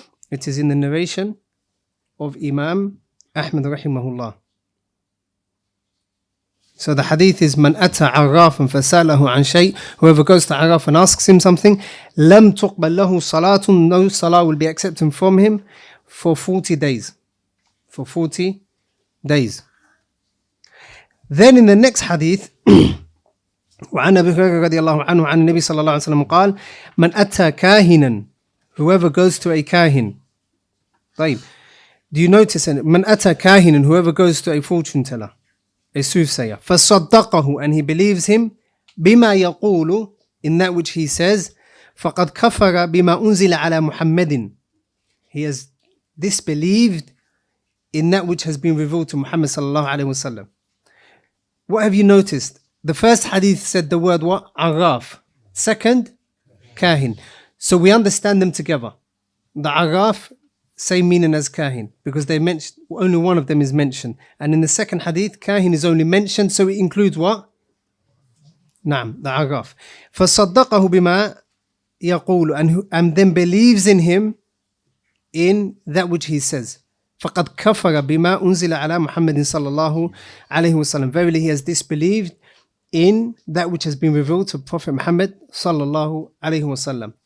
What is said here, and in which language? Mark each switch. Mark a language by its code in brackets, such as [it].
[en] It is in the narration of Imam Ahmad rahimahullah. So the hadith is, [ar] من أتى عرافا فسأله عن شيء, [en] whoever goes to عراف and asks him something, [ar] لم تقبل له صلاة, [en] no salah will be accepted from him for 40 days. For 40 days. Then in the next hadith, [ar] وعن أبي هريرة رضي الله عنه عن النبي صلى الله عليه وسلم قال, من أتى كاهنا, [en] whoever goes to a [ar] كاهن. [en] طيب, do you notice, [ar] من أتى كاهنا, [en] whoever goes to a fortune teller, a soothsayer, [ar] فصدقه, [en] and he believes him, [ar] بما يقول, [en] in that which he says, [ar] فقد كفر بما أنزل على محمد, [en] he has disbelieved in that which has been revealed to Muhammad صلى الله عليه وسلم. What have you noticed? The first hadith said the word what? [ar] عراف. [en] Second, كاهن. So we understand them together. The عراف, same meaning as kahin, because they mentioned, only one of them is mentioned, and in the second hadith kahin is only mentioned, so it includes what? Naam, the araf. [ar] فصدقه بما يقول, [en] and then believes in him in that which he says. [ar] فقد كفر بما أنزل على محمد صلى الله عليه وسلم. [en] Verily he has disbelieved in that which has been revealed to Prophet Muhammad صلى الله عليه وسلم.